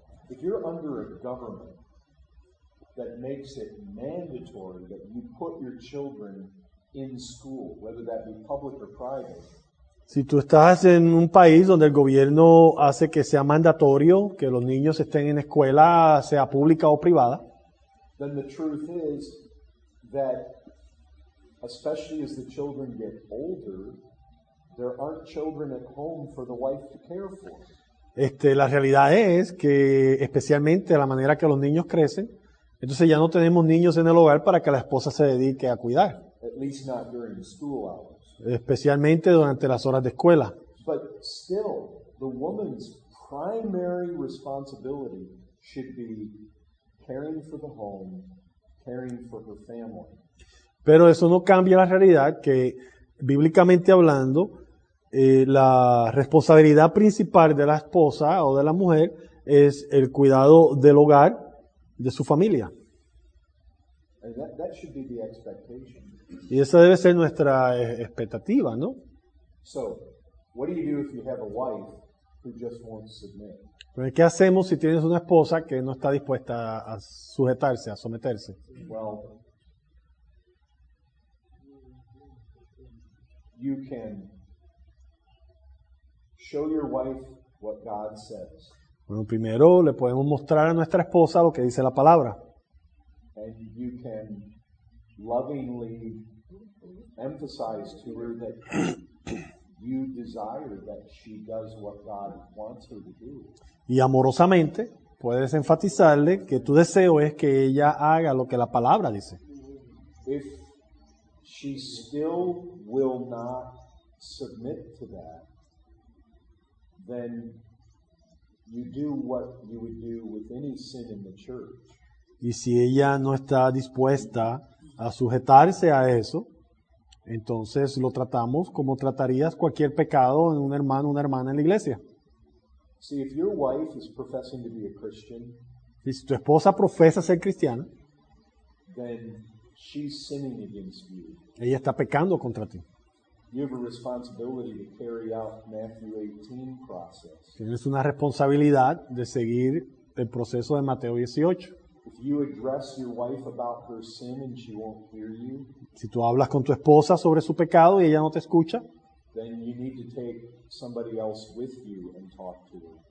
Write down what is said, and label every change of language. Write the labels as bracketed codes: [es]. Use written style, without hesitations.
[en] If you're under a government that makes it mandatory that you put your children in school, whether that be public or private. [es] Si tú estás en un país donde el gobierno hace que sea mandatorio que los niños estén en escuela, sea pública o privada, [en] then the truth is that especially as the children get older, there aren't children at home for the wife to care for. [es] La realidad es que especialmente la manera que los niños crecen, entonces ya no tenemos niños en el hogar para que la esposa se dedique a cuidar. [en] At least not during the school hours. [es] Especialmente durante las horas de escuela. [en] But still, the woman's primary responsibility should be caring for the home, caring for her family. [es] Pero eso no cambia la realidad que bíblicamente hablando, la responsabilidad principal de la esposa o de la mujer es el cuidado del hogar, de su familia. [en] That should be the expectation. [es] Y esa debe ser nuestra expectativa, ¿no? [en] So, what do you do if you have a wife who just won't submit? [es] Pero ¿qué hacemos si tienes una esposa que no está dispuesta a sujetarse, a someterse? [en] Well, you can show your wife what God says. [es] Bueno, primero le podemos mostrar a nuestra esposa lo que dice la palabra. [en] And you can lovingly emphasize to her that you desire that she does what God wants her to do. [es] Y amorosamente puedes enfatizarle que tu deseo es que ella haga lo que la palabra dice. [en] If she still will not submit to that, then you do what you would do with any sin in the church. [es] Y si ella no está dispuesta a sujetarse a eso, entonces lo tratamos como tratarías cualquier pecado en un hermano o una hermana en la iglesia. [en] See, if your wife is professing to be a Christian, [es] y si tu esposa profesa ser cristiana, [en] then she's sinning against you. [es] Ella está pecando contra ti. [en] You have a responsibility to carry out Matthew 18 process. [es] Tienes una responsabilidad de seguir el proceso de Mateo 18. [en] If you address your wife about her sin and she won't hear you, [es] si tú hablas con tu esposa sobre su pecado y ella no te escucha, [en] then you need to take somebody else with you and talk to her.